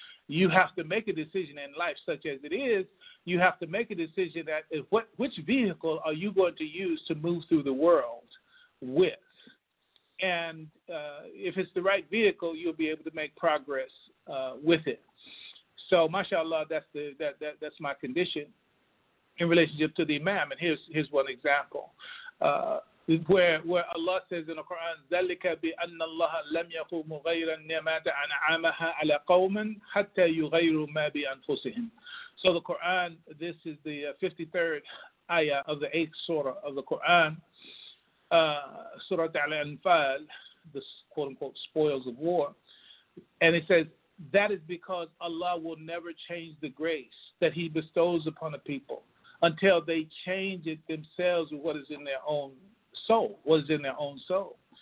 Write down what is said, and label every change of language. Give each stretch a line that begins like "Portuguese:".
English: You have to make a decision in life, such as it is. You have to make a decision that which vehicle are you going to use to move through the world with. And if it's the right vehicle, you'll be able to make progress with it. So, mashallah, that's my condition in relationship to the imam. And here's one example where Allah says in the Quran,
Arabic: ذَلِكَ بِأَنَّ اللَّهَ لَمْ يَقُوا مُغَيْرًا نِعْمَةَ أَنْعَامَهَا عَلَى قَوْمٍ حَتَّى يُغَيْرُوا مَا بِأَنفُسِهِمْ.
English: So the Quran, this is the 53rd ayah of the 8th surah of the Quran, Surah Al-Anfal, the quote-unquote spoils of war. And it says, that is because Allah will never change the grace that he bestows upon a people until they change it themselves with what is in their own soul, what is in their own soul.